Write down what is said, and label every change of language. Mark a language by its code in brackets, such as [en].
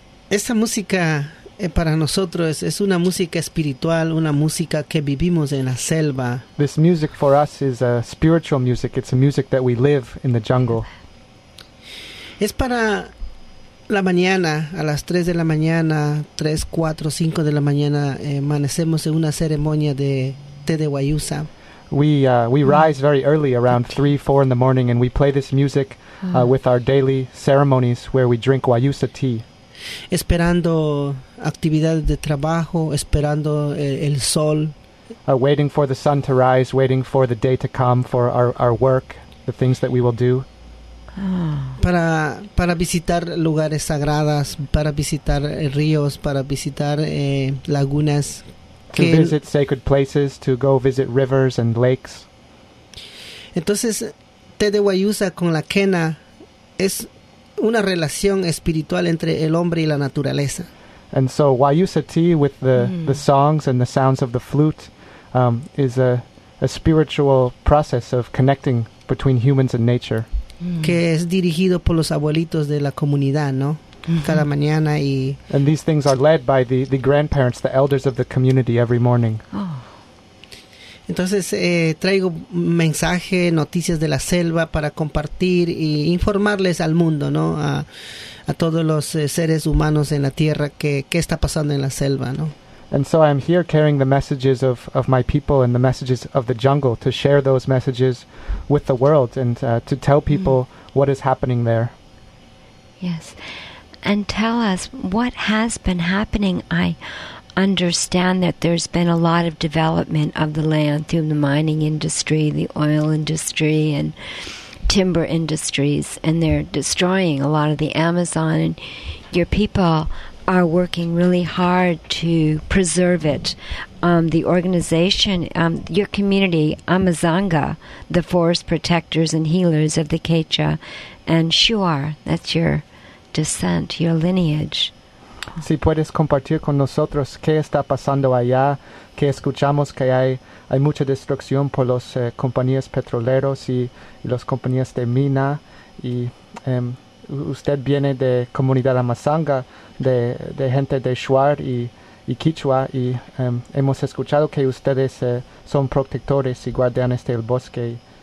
[es] Esta música para nosotros es una música espiritual, una música que vivimos en la selva. [en] This music for us is a spiritual music. It's a music that we live in the jungle. [es] Es para la mañana, a las 3 de la mañana, 3, 4, 5 de la mañana, amanecemos en una ceremonia de té de guayusa. [en] We rise very early, around 3, 4 in the morning, and we play this music with our daily ceremonies where we drink guayusa tea. [es] Esperando actividades de trabajo, esperando el sol. [en] Waiting for the sun to rise, waiting for the day to come, for our work, the things that we will do. [es] Para visitar lugares sagrados, para visitar ríos, para visitar lagunas. [en] To visit sacred places, to go visit rivers and lakes. [es] Entonces, té de guayusa con la quena es una relación espiritual entre el hombre y la naturaleza. [en] And so guayusa tea with the songs and the sounds of the flute is a spiritual process of connecting between humans and nature. [es] Que es dirigido por los abuelitos de la comunidad, ¿no? Cada mañana y [en] and these things are led by the grandparents, the elders of the community every morning. [es] Entonces traigo mensaje, noticias de la selva para compartir y informarles al mundo, ¿no? A todos los seres humanos en la tierra que está pasando en la selva, ¿no? [en] And so I'm here carrying the messages of my people and the messages of the jungle to share those messages with the world and to tell people what is happening there. Yes. And tell us what has been happening. I understand that there's been a lot of development of the land through the mining industry, the oil industry, and timber industries, and they're destroying a lot of the Amazon, and your people are working really hard to preserve it. The organization, your community, Amazanga, the forest protectors and healers of the Quechua, and Shuar, that's your descent, your lineage. [es] Si puedes compartir con nosotros qué está pasando allá, que escuchamos que hay mucha destrucción por las compañías petroleras y las compañías de mina, y usted viene de comunidad Amazanga, de gente de Shuar y Quichua, y hemos escuchado que ustedes son protectores y guardianes del bosque.